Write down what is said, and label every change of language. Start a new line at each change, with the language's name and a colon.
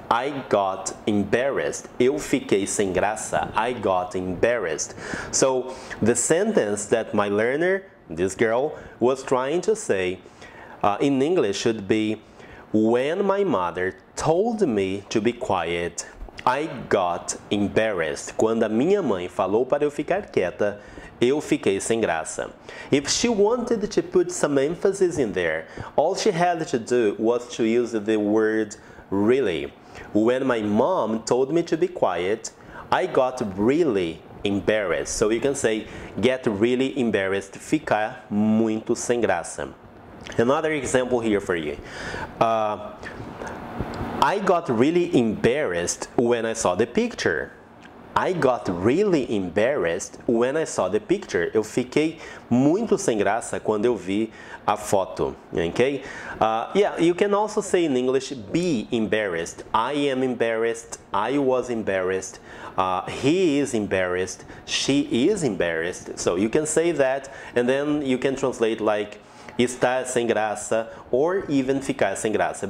English: I got embarrassed.
Portuguese: Eu fiquei sem graça.
English: I got embarrassed. So the sentence that my learner, this girl, was trying to say in English should be, when my mother told me to be quiet, I got embarrassed.
Portuguese: Quando a minha mãe falou para eu ficar quieta, eu fiquei sem graça.
English: If she wanted to put some emphasis in there, all she had to do was to use the word really. When my mom told me to be quiet, I got really embarrassed. So you can say, get really embarrassed,
Portuguese: ficar muito sem graça.
English: Another example here for you. I got really embarrassed when I saw the picture. I got really embarrassed when I saw the picture.
Portuguese: Eu fiquei muito sem graça quando eu vi a foto, okay?
English: Yeah, you can also say in English, be embarrassed. I am embarrassed. I was embarrassed. He is embarrassed. She is embarrassed. So you can say that, and then you can translate like
Portuguese: estar sem graça
English: or even
Portuguese: ficar sem graça.